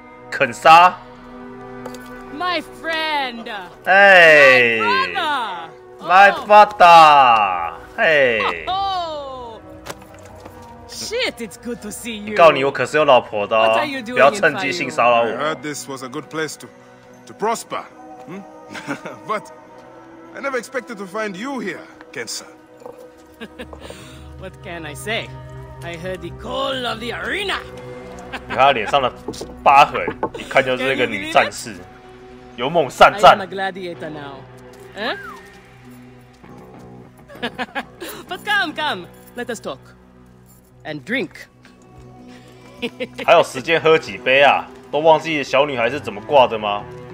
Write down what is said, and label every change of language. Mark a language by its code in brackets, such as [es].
[zh] 肯沙 [en] ，My friend，哎，My father，、oh. 嘿。 Shit, it's good to see you. [zh] 告你，我可是有老婆的、哦，不要趁机性骚扰我。 [en] I heard this was a good place to prosper, But I never expected to find you here, Kensa. What can I say? I heard the call of the arena. [zh] 你看他脸上的疤痕，一看就是一个女战士，勇猛善战。 [en] I am a gladiator now, But come, let us talk. And drink. [zh] 还有时间喝几杯啊？都忘记小女孩是怎么挂的吗？